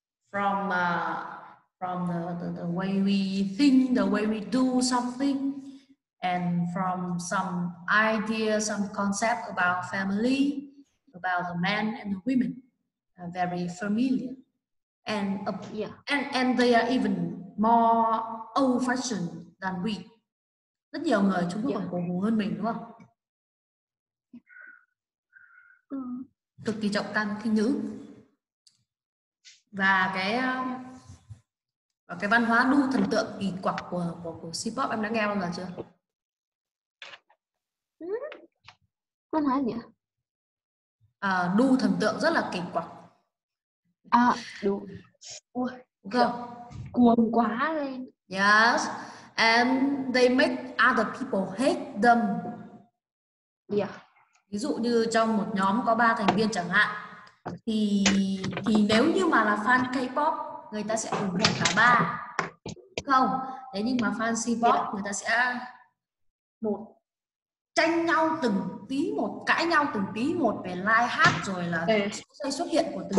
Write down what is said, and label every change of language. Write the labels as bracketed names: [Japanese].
[English] From the way we think, the way we do something, and from some ideas, some concept about family, about the men and the women, very familiar. And and they are even more old fashioned than we. [Vietnamese] Rất nhiều người Trung Quốc còn cổ hủ hơn mình, đúng không? Cực kỳ trọng tâm khi nữ. Và cái văn hóa đu thần tượng kỳ quặc của C-pop em đã nghe bao giờ chưa? Có nói gì ạ? À, đu thần tượng rất là kỳ quặc. À, đu. Ui, cuồng quá lên. [English] Yes, and they make other people hate them. Yeah. [Vietnamese] Ví dụ như trong một nhóm có 3 thành viên chẳng hạn, thì nếu như mà là fan K-pop, người ta sẽ ủng hộ cả 3. Không, thế nhưng mà fan C-pop, người ta sẽ một tranh nhau từng tí một, cãi nhau từng tí một về live hát rồi là xuất hiện của từng